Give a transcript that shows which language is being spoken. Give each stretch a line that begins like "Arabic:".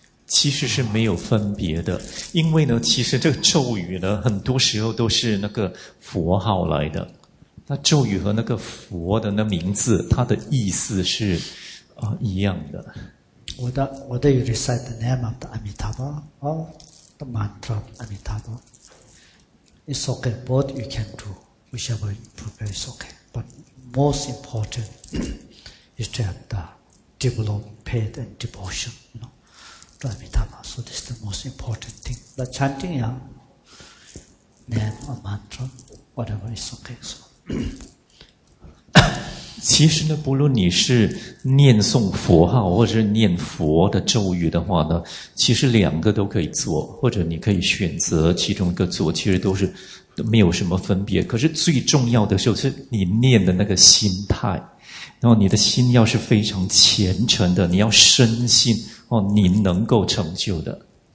Chinese: 其实是没有分别的，因为呢，其实这个咒语呢，很多时候都是那个佛号来的。那咒语和那个佛的那名字，它的意思是一样的。
English: Whether you recite the name of the Amitabha or the mantra of Amitabha, it's okay. Both you can do. Whichever you prepare is okay. But most important is to have the develop faith and devotion, you know, to Amitabha. So this is the most important thing. The chanting, yeah, name or mantra, whatever is okay. So.
Chinese: 其实呢，不论你是念诵佛号或者念佛的咒语的话呢，其实两个都可以做，或者你可以选择其中一个做，其实都是没有什么分别。可是最重要的就是你念的那个心态，然后你的心要是非常虔诚的，你要深信哦，你能够成就的。